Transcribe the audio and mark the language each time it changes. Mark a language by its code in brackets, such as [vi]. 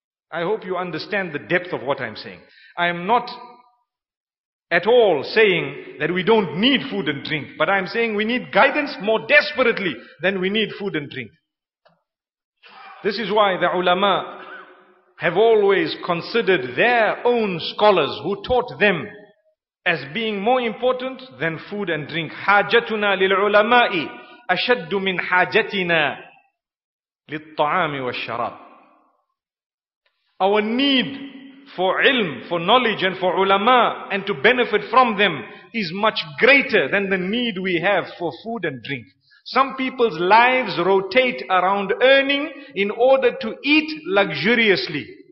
[en] I hope you understand the depth of what I'm saying. I am not at all saying that we don't need food and drink, but I'm saying we need guidance more desperately than we need food and drink. This is why the ulama have always considered their own scholars who taught them as being more important than food and drink. [ar] حاجتنا للعلماء أشد من حاجتنا للطعام والشراب. [en] Our need for ilm, for knowledge and for ulama and to benefit from them is much greater than the need we have for food and drink. Some people's lives rotate around earning in order to eat luxuriously.